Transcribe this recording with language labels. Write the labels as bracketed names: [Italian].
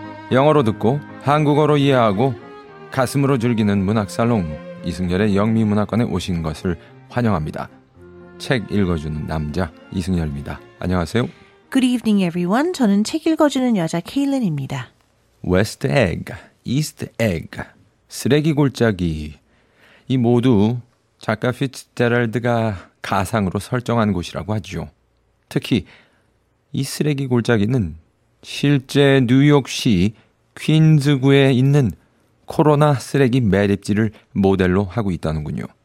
[Korean] 영어로 듣고 한국어로 이해하고 가슴으로 즐기는 문학살롱, 이승열의 영미문학관에 오신 것을 환영합니다. 책 읽어주는 남자 이승열입니다. 안녕하세요. [English] Good evening, everyone. [Korean] 저는 책 읽어주는 여자 케일린입니다. West Egg, East Egg, 쓰레기 골짜기. 이 모두 작가 피츠제럴드가 가상으로 설정한 곳이라고 하죠. 특히 이 쓰레기 골짜기는 실제 뉴욕시 퀸즈구에 있는 코로나 쓰레기 매립지를 모델로 하고 있다는군요.